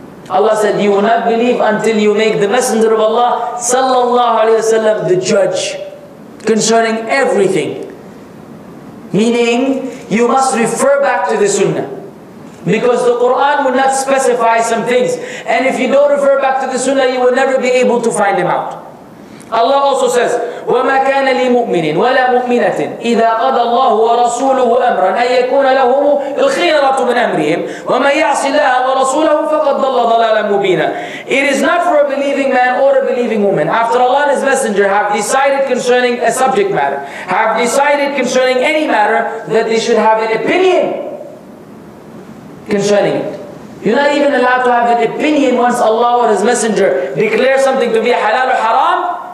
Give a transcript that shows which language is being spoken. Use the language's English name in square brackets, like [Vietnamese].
[English] Allah said, you will not believe until you make the Messenger of Allah sallallahu alayhi wa sallam the judge concerning everything. Meaning, you must refer back to the sunnah. Because the Quran will not specify some things. And if you don't refer back to the sunnah, you will never be able to find them out. Allah also says, [Arabic] وَمَا كَانَ لِمُؤْمِنٍ وَلَا مُؤْمِنَةٍ إِذَا قَضَى اللَّهُ وَرَسُولُهُ أَمْرًا أَنْ يَكُونَ لَهُمُ الْخِيَرَةُ مِنْ أَمْرِهِمْ وَمَنْ يَعْصِ اللَّهَ وَرَسُولَهُ فَقَدْ ضَلَّ ضَلَالًا مُبِينًا. [English] It is not for a believing man or a believing woman, after Allah and His Messenger have decided concerning a subject matter, have decided concerning any matter, that they should have an opinion concerning it. You're not even allowed to have an opinion once Allah or His Messenger declare something to be halal or haram.